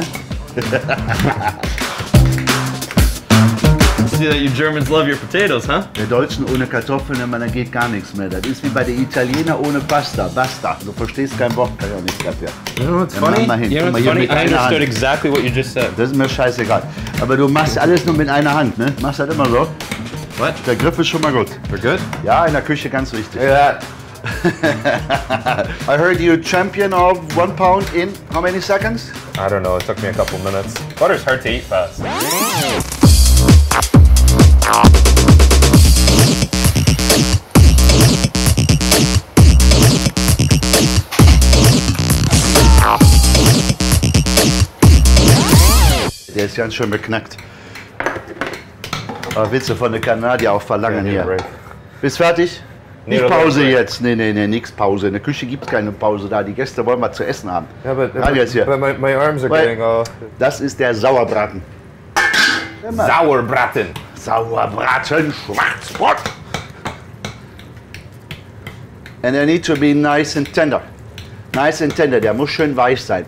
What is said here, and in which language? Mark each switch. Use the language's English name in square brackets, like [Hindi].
[English] I see that you Germans love your potatoes, huh? [German] Der Deutschen ohne Kartoffeln, da geht gar nichts mehr. Das ist wie bei der Italiener ohne Pasta. Basta. Du verstehst kein Wort, kann ich auch nichts dafür. [English] You know what's funny? You know what's funny? I understood exactly what you just said. [German] Das ist mir scheißegal. Aber du machst alles nur mit einer Hand, ne? Machst das immer so. [English] What? [German] Der Griff ist schon mal gut. [English] We're good? [German] Ja, in der Küche ganz wichtig. [English] Yeah. I heard you champion of 1 pound in how many seconds? I don't know, it took me a couple minutes. Butter's hard to eat fast. [German] Der ist ganz schön beknackt. Aber willst du von den Kanadier auch verlangen hier? Bist fertig? Nicht nee, Pause jetzt, nee, nix Pause. In der Küche gibt es keine Pause da, die Gäste wollen mal zu essen haben. [English] Ja, but my arms are getting all... [German] Das ist der Sauerbraten. Sauerbraten. Sauerbraten, Schwarzbrot. [English] And they need to be nice and tender. Nice and tender, [German] der muss schön weich sein.